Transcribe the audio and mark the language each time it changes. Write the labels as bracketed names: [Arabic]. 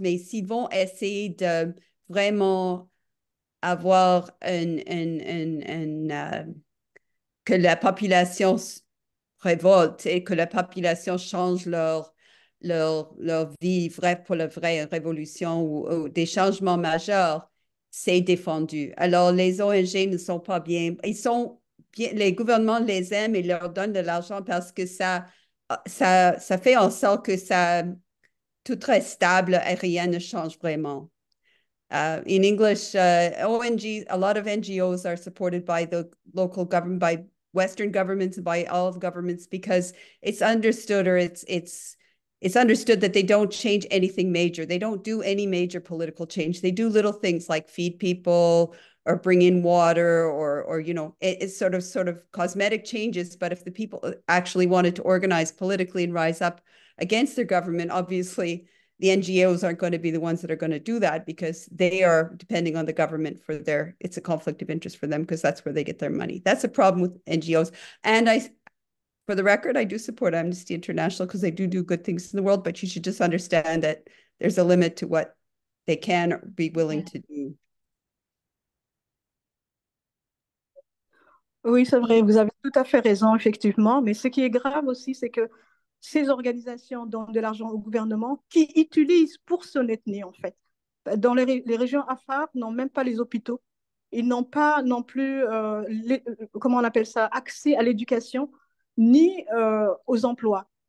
[French] Mais s'ils vont essayer de vraiment avoir que la population révolte et que la population change leur vie vraie pour la vraie révolution ou des changements majeurs, c'est défendu. Alors, les ONG ne sont pas bien. Ils sont bien, les gouvernements les aiment et leur donnent de l'argent parce que ça fait en sorte que ça tout reste stable et rien ne change vraiment. [English] In English, ONG, a lot of NGOs are supported by the local government, by Western governments and by all governments, because it's understood or it's understood that they don't change anything major. They don't do any major political change. They do little things like feed people or bring in water or you know, it's sort of cosmetic changes. But if the people actually wanted to organize politically and rise up against their government, obviously the NGOs aren't going to be the ones that are going to do that because they are depending on the government for their, it's a conflict of interest for them because that's where they get their money. That's a problem with NGOs. And I, for the record, I do support Amnesty International because they do good things in the world, but you should just understand that there's a limit to what they can be willing to do. [French] Oui, c'est vrai, vous avez tout à fait raison, effectivement. Mais ce qui est grave aussi, c'est que ces organisations donnent de l'argent au gouvernement qui utilisent pour se maintenir, en fait. Dans les régions Afar, n'ont même pas les hôpitaux. Ils n'ont pas non plus, comment on appelle ça, accès à l'éducation ni aux emplois.